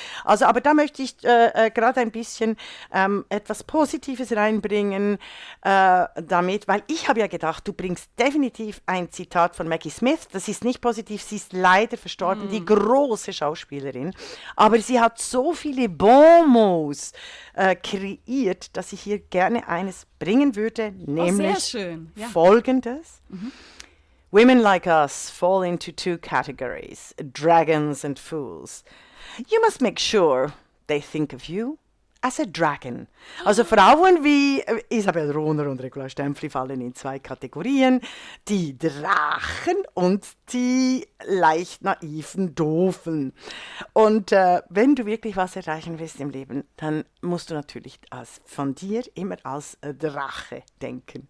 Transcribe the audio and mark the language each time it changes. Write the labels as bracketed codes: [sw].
[de] Also, aber da möchte ich gerade ein bisschen etwas Positives reinbringen, damit, weil ich habe ja gedacht, du bringst definitiv ein Zitat von Maggie Smith, das ist nicht positiv, sie ist leider verstorben, die große Schauspielerin, aber sie hat so viele Bonmots kreiert, dass ich hier gerne eines bringen würde, nämlich folgendes. [en] Women like us fall into 2 categories, dragons and fools. You must make sure they think of you as a dragon. [de] Also Frauen wie Isabel Rohner und Regula Stempfli fallen in 2 Kategorien. Die Drachen und die leicht naiven Doofen. Und wenn du wirklich was erreichen willst im Leben, dann musst du natürlich von dir immer als Drache denken.